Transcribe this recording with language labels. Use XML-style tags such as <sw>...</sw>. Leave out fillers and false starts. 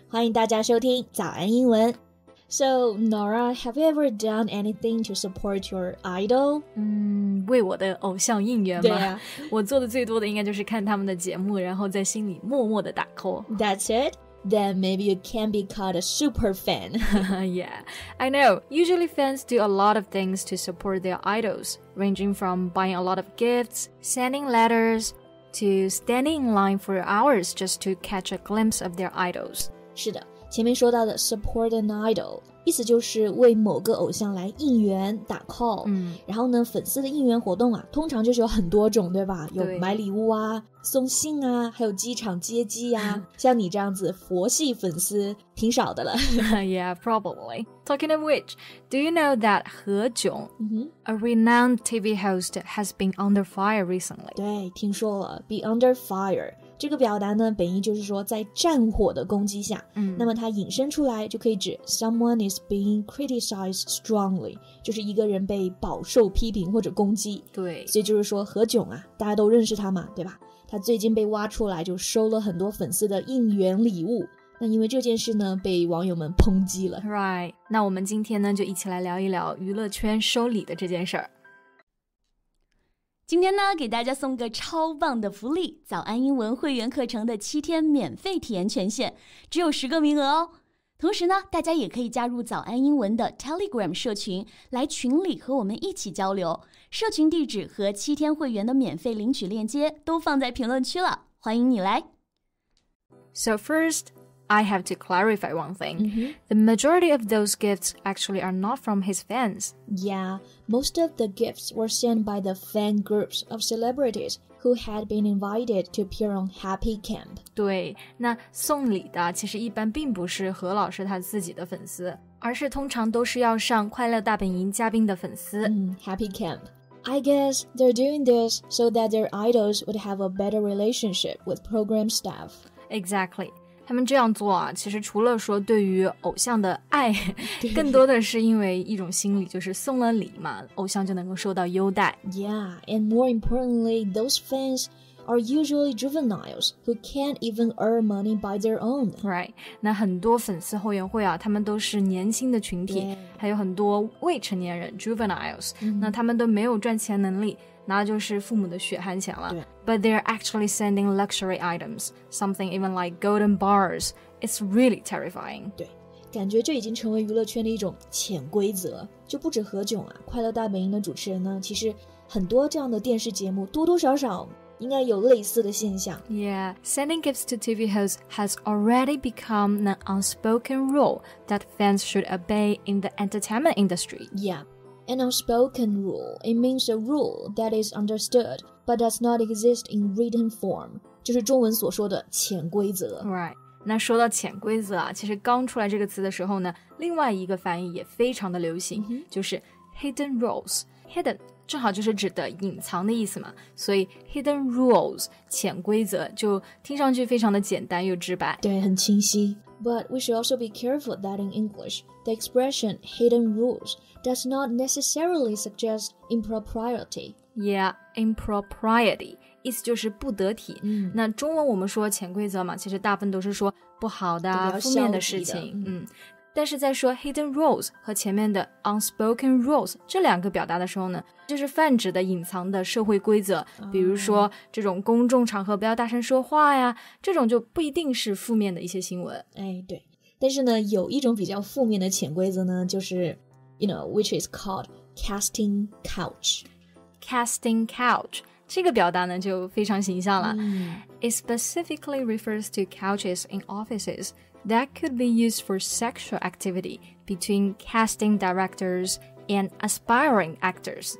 <zh>欢迎大家收听早安英文。</zh> <en>So, Nora, have you ever done anything to support your idol?</en> <zh>为我的偶像应援吗？对啊。我做的最多的应该就是看他们的节目，然后在心里默默地打 call.</zh> <en>That's it? Then maybe you can be called a super fan. Yeah, I know. Usually fans do a lot of things to support their idols, ranging from buying a lot of gifts, sending letters, to standing in line for hours just to catch a glimpse of their idols.</en> <zh>是的。前面说到的</zh> <en>support an idol</en> <zh>意思就是为某个偶像来应援打 call、然后呢粉丝的应援活动啊通常就是有很多种对吧对有买礼物啊送信啊还有机场接机啊像你这样子佛系粉丝挺少的了</zh> <en>Yeah, probably. Talking of which, do you know that 何炅、a renowned TV host has been under fire recently?</en> <zh>对听说了</zh> <en>be under fire</en> <zh>这个表达呢本意就是说在战火的攻击下、那么它引申出来就可以指</zh> <en>someone is being criticized strongly</en> <zh>就是一个人被饱受批评或者攻击对所以就是说何炅啊大家都认识他嘛对吧他最近被挖出来就收了很多粉丝的应援礼物那因为这件事呢被网友们抨击了</zh> <en>Right</en> <zh>那我们今天呢就一起来聊一聊娱乐圈收礼的这件事儿今天呢给大家送个超棒的福利早安英文会员课程的七天免费体验权限只有十个名额哦。同时呢大家也可以加入早安英文的 Telegram 社群来群里和我们一起交流。社群地址和七天会员的免费领取链接都放在评论区了欢迎你来。</zh> <en>So first, I have to clarify one thing. The majority of those gifts actually are not from his fans. Yeah. Most of the gifts were sent by the fan groups of celebrities who had been invited to appear on Happy Camp.</en> <zh>对，那送礼的其实一般并不是何老师他自己的粉丝，而是通常都是要上快乐大本营嘉宾的粉丝。</zh> <en>Happy Camp. I guess they're doing this so that their idols would have a better relationship with program staff. Exactly.</en> <zh>他们这样做啊，其实除了说对于偶像的爱，更多的是因为一种心理，就是送了礼嘛，偶像就能够受到优待。</zh> <en>Yeah, and more importantly, those fans are usually juveniles who can't even earn money by their own. Right,</en> <zh>那很多粉丝后援会啊，他们都是年轻的群体，还有很多未成年人 juveniles, 那他们都没有赚钱能力。那就是父母的血汗钱了</zh> <en>But they're actually sending luxury items Something even like golden bars It's really terrifying</en> <zh>对感觉这已经成为娱乐圈的一种潜规则就不止何炅啊快乐大本营的主持人呢其实很多这样的电视节目多多少少应该有类似的现象</zh> <en>Yeah, sending gifts to TV hosts has already become an unspoken rule That fans should obey in the entertainment industry Yeah,An unspoken rule, it means a rule that is understood, but does not exist in written form.</en> <zh>就是中文所说的潜规则。</zh> <en>Right.</en> <zh>那说到潜规则啊，其实刚出来这个词的时候呢，另外一个翻译也非常的流行，就是</zh> <en>hidden rules.</en> <zh>Hidden 正好就是指的隐藏的意思嘛，所以</zh> <en>hidden rules,</en> <zh>潜规则，就听上去非常的简单又直白。对，很清晰。</zh> <en>But we should also be careful that in English, the expression hidden rules does not necessarily suggest impropriety. Yeah, impropriety,</en> <zh>意思就是不得体。那中文我们说潜规则嘛，其实大部分都是说不好的、负面的事情。但是在说</zh> <en>hidden rules</en> <zh>和前面的</zh> <en>unspoken rules</en> <zh>这两个表达的时候呢，就是泛指的隐藏的社会规则，比如说这种公众场合不要大声说话呀，这种就不一定是负面的一些新闻。哎，对。但是呢，有一种比较负面的潜规则呢，就是</zh> <en>you know, which is called casting couch. Casting couch.</en> <zh>这个表达呢就非常形象了。</zh> <en>It specifically refers to couches in offices that could be used for sexual activity between casting directors and aspiring actors.</en>